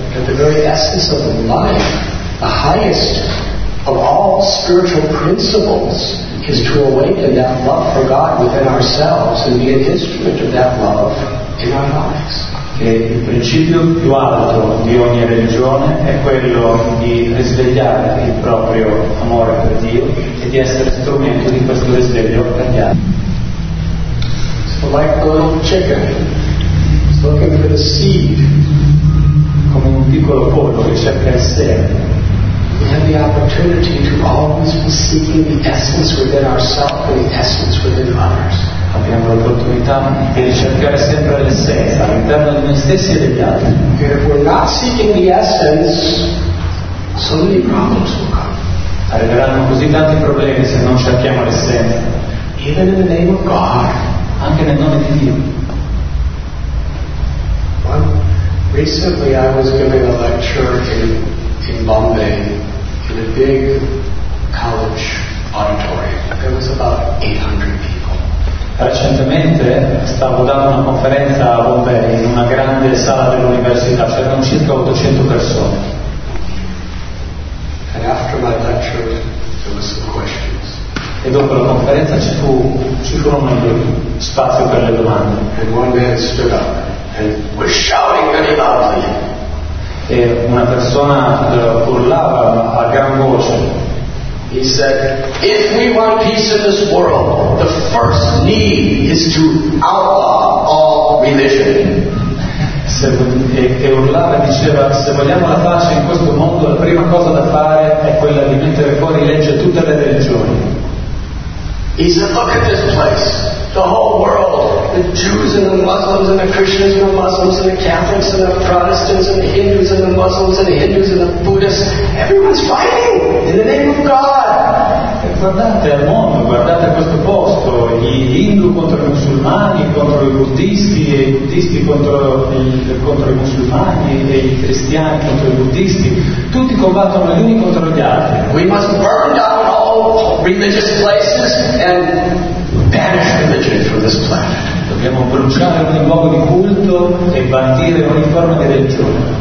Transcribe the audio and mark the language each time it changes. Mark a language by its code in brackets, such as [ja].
[en] That the very essence of life, the highest of all spiritual principles, is to awaken that love for God within ourselves and be an instrument of that love in our lives. [it] Che il principio più alto di ogni religione è quello di risvegliare il proprio amore per Dio e di essere strumento di questo risveglio per gli altri. [en] So like a little chicken, it's looking for the seed. [it] Come un piccolo pollo che cerca il seme. [en] We have the opportunity to always be seeking the essence within ourselves and the essence within others. [it] Abbiamo l'opportunità di ricercare sempre l'essenza all'interno di noi stessi e degli altri. [en] Because if we're not seeking the essence, so many problems will come. [it] Arriveranno così tanti problemi se non cerchiamo l'essenza. [en] Even in the name of God, [it] anche nel nome di Dio. [en] Well, recently I was giving a lecture in Bombay in a big college auditorium. There was about 800 people. [it] Recentemente stavo dando una conferenza a Bombay in una grande sala dell'università, c'erano circa 800 persone. [en] And after my lecture, there were some questions. [it] E dopo la conferenza ci furono un spazio per le domande. [en] And one man stood up and was shouting very loudly. [it] E una persona urlava a gran voce. [en] He said, if we want peace in this world, the first need is to outlaw all religion. [it] E urlava e diceva, se vogliamo la pace in questo mondo, la prima cosa da fare è quella di mettere fuori legge tutte le religioni. [en] He said, look at this place. The whole world, the Jews and the Muslims and the Christians and the Muslims and the Catholics and the Protestants and the Hindus and the Muslims and the Hindus and the Buddhists, everyone's fighting in the name of God. [it] E guardate al mondo, guardate a questo posto, gli Hindu contro i musulmani, contro i buddisti, e i buddisti contro i musulmani, e i cristiani contro i buddisti, tutti combattono gli uni contro gli altri. [en] We must burn down all religious places and banish religion from this planet. [it] Dobbiamo bruciare ogni luogo di culto e bandire ogni forma di religione.